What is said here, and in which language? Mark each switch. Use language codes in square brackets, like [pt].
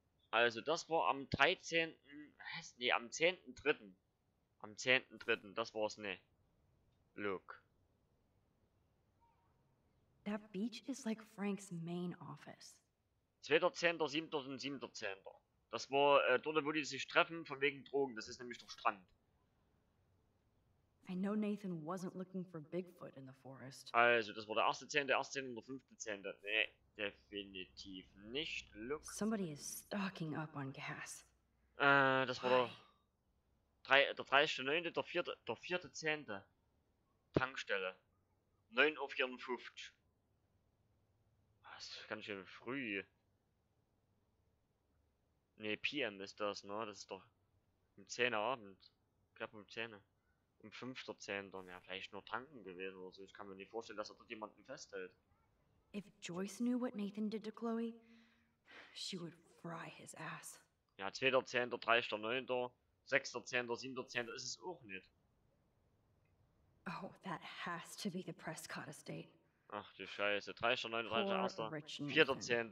[de] Also, das war am 13. Nee, am 10.3. Am 10.3. Das war's, ne. Look. [en] That beach is like Frank's main office. [de] 2.10., 7. und 7.10. Das war dort, wo die sich treffen, von wegen Drogen. Das ist nämlich der Strand. [en] I know Nathan wasn't looking for Bigfoot in the forest. [de] Also, das war der 1.10., 1.10. und 5.10. Nee, definitiv nicht. Look. [en] Somebody is stocking up on gas. [de] Das war der 30.9., der 4.10. Tankstelle. 9.54 Uhr. Das ist ganz schön früh. Ne, PM ist das, ne? Das ist doch um 10 Uhr Abend. Knapp um 10 Uhr. Um 5.10. Ja, vielleicht nur tanken gewesen oder so. Ich kann mir nicht vorstellen, dass er dort jemanden festhält. [en] If Joyce knew what Nathan did to Chloe, she would fry his ass. [de] Ja, 2.10., 3.9., 6.10., 7.10. ist es auch nicht. [en] Oh, that has to be the Prescott estate. [de] Ach du Scheiße, 3.9.1. 4.10.